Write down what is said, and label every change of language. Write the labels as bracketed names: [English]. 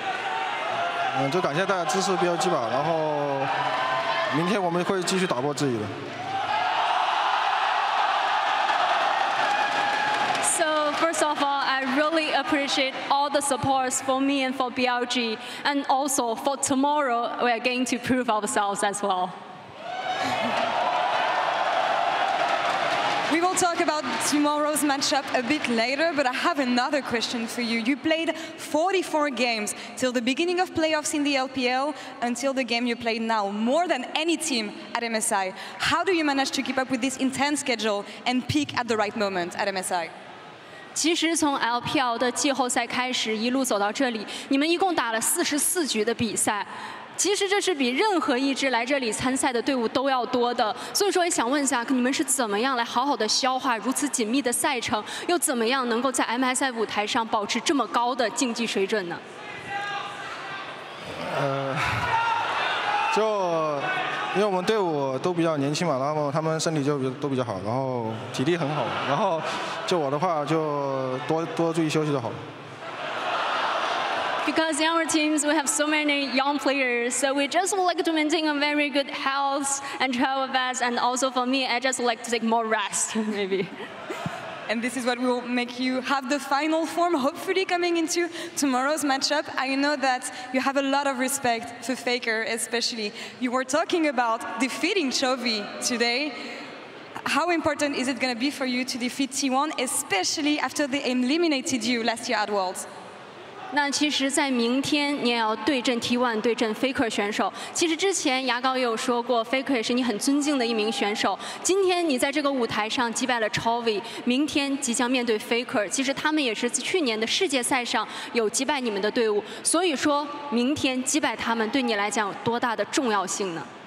[Chinese] 其实感觉一路走来，其实有很多人可能会对我们牙膏选手有一些质疑。同样的，有很多人可能会质疑BLG，但是在这个舞台上，你们一路过关斩将，来到了这里，并且将在接下来挑战全新的旅程。所以说，你觉得在这个舞台上证明自己对你来讲意味着什么？就怎么说？就感谢大家支持BLG吧，然后。 [English] So first of all, I really appreciate all the supports for me and for BLG, and also for tomorrow, we are going to prove ourselves as well. We will talk about tomorrow's matchup a bit later, but I have another question for you. You played 44 games till the beginning of playoffs in the LPL until the game you played now, more than any team at MSI. How do you manage to keep up with this intense schedule and peak at the right moment at MSI? [Chinese] 其实从 LPL 的季后赛开始，一路走到这里，你们一共打了44局的比赛。其实这是比任何一支来这里参赛的队伍都要多的，所以说也想问一下，你们是怎么样来好好的消化如此紧密的赛程，又怎么样能够在 MSI 舞台上保持这么高的竞技水准呢？就因为我们队伍都比较年轻嘛，然后他们身体就比较好，然后体力很好，然后就我的话就多注意休息就好了。 [English] Because in our teams, we have so many young players, so we just would like to maintain a very good health and travel best. And also for me, I just like to take more rest, maybe. And this is what will make you have the final form, hopefully, coming into tomorrow's matchup. I know that you have a lot of respect for Faker, especially. You were talking about defeating Chovy today. How important is it going to be for you to defeat T1, especially after they eliminated you last year at Worlds? [Chinese] 那其实，在明天你也要对阵 T1， 对阵 Faker 选手。其实之前牙膏也有说过 ，Faker 也是你很尊敬的一名选手。今天你在这个舞台上击败了 Chovy， 明天即将面对 Faker。其实他们也是去年的世界赛上有击败你们的队伍，所以说明天击败他们对你来讲有多大的重要性呢？